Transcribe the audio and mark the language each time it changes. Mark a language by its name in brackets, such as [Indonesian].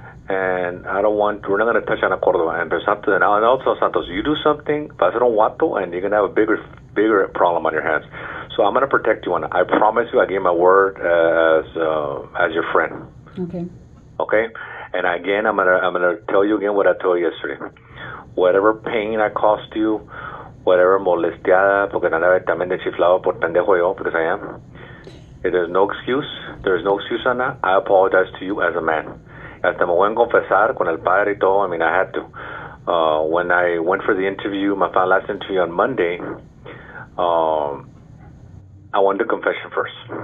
[English] And I don't want, we're not going to touch on a Cordova. And there's something, and I'll tell Santos, you do something, but I don't want to, and you're going to have a bigger problem on your hands. So I'm going to protect you, Ana. I promise you, I gave my word as your friend. Okay. Okay? And again, I'm going to tell you again what I told you yesterday. Whatever pain I caused you, whatever [Spanish] molestiada, porque andaba también de chiflado por pendejo yo, [English] because I am. If there's no excuse, there's no excuse on that. I apologize to you as a man. [Spanish] Hasta me voy a confesar con el padre y todo. [English] I mean, I had to. When I went for the interview, my final last interview on Monday, I went to confession first.